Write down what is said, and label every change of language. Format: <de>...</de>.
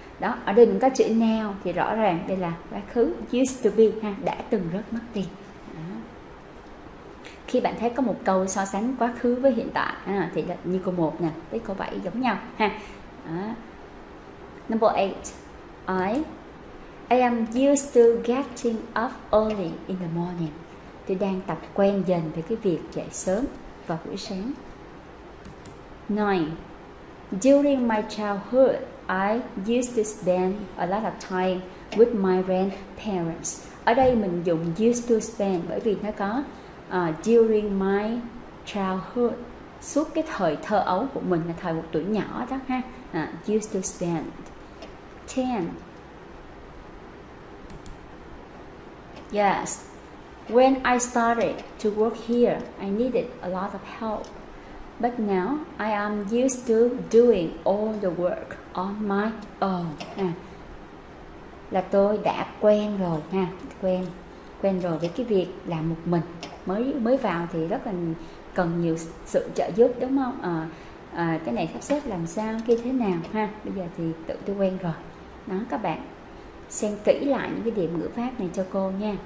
<vi>Đó, ở đây có chữ now thì rõ ràng đây là quá khứ, used to be ha, đã từng rất mất tiền. Khi bạn thấy có một câu so sánh quá khứ với hiện tại à, thì như câu 1 nè, với câu 7 giống nhau ha.</vi> <en>À. Number 8. I am used to getting up early in the morning.</en> <vi>Tôi đang tập quen dần với cái việc dậy sớm vào buổi sáng. 9.</vi> <en>During my childhood, I used to spend a lot of time with my grandparents.</en> <vi>Ở đây mình dùng used to spend bởi vì nó có</vi> <en>during my childhood,</en> <vi>suốt cái thời thơ ấu của mình là thời một tuổi nhỏ đó ha.</vi> <en>Used to spend. 10. Yes, when I started to work here, I needed a lot of help, but now I am used to doing all the work on my own.</en> <vi>Là tôi đã quen rồi ha, quen rồi với cái việc làm một mình. Mới vào thì rất là cần nhiều sự trợ giúp đúng không? Cái này sắp xếp làm sao kia thế nào ha? Bây giờ thì tự tôi quen rồi. Đó các bạn, xem kỹ lại những cái điểm ngữ pháp này cho cô nha.</vi>